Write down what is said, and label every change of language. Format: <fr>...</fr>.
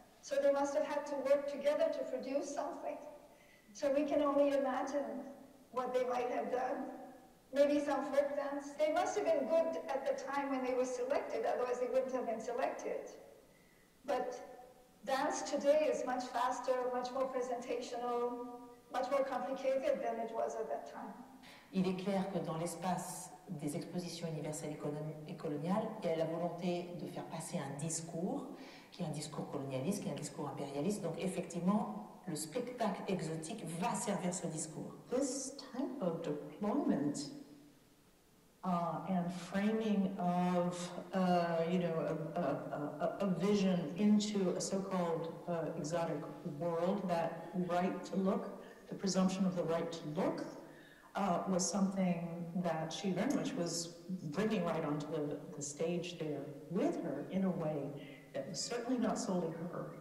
<en>So they must have had to work together to produce something. So we can only imagine what they might have done. Maybe some folk dance. They must have been good at the time when they were selected, otherwise they wouldn't have been selected. But dance today is much faster, much more presentational, much more complicated than it was at that time.</en> <fr>Il est clair que dans l'espace des expositions universelles et coloniales, il y a la volonté de faire passer un discours, qui est un discours colonialiste, qui est un discours impérialiste. Donc effectivement, le spectacle exotique va servir ce discours.</fr> <en>This type of deployment and framing of a vision into a so-called exotic world, that right to look, the presumption of the right to look, was something that she very much was bringing right onto the stage there with her in a way that was certainly not solely her.</en>